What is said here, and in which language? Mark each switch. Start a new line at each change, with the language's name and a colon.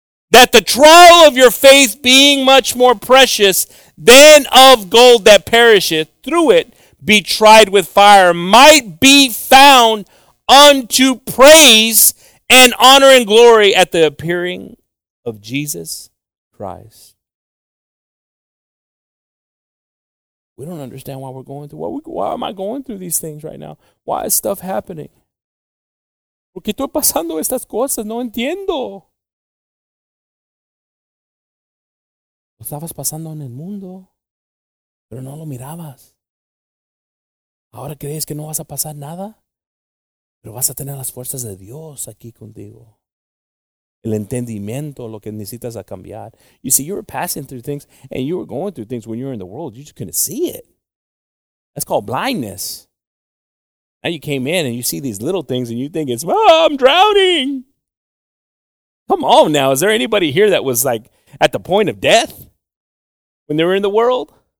English: That the trial of your faith being much more precious than of gold that perisheth, through it be tried with fire, might be found unto praise and honor and glory at the appearing of Jesus Christ. We don't understand why we're going through. Why am I going through these things right now? Why is stuff happening?
Spanish: ¿Por qué estoy pasando estas cosas? No entiendo. Lo estabas pasando en el mundo, pero no lo mirabas. Ahora crees que no vas a pasar nada, pero vas a tener las fuerzas de Dios aquí contigo. El entendimiento, lo que necesitas a cambiar.
English: You see, you were passing through things, and you were going through things when you were in the world. You just couldn't see it. That's called blindness. Now you came in, and you see these little things, and you think, I'm drowning. Come on now. Is there anybody here that was like at the point of death when they were in the world?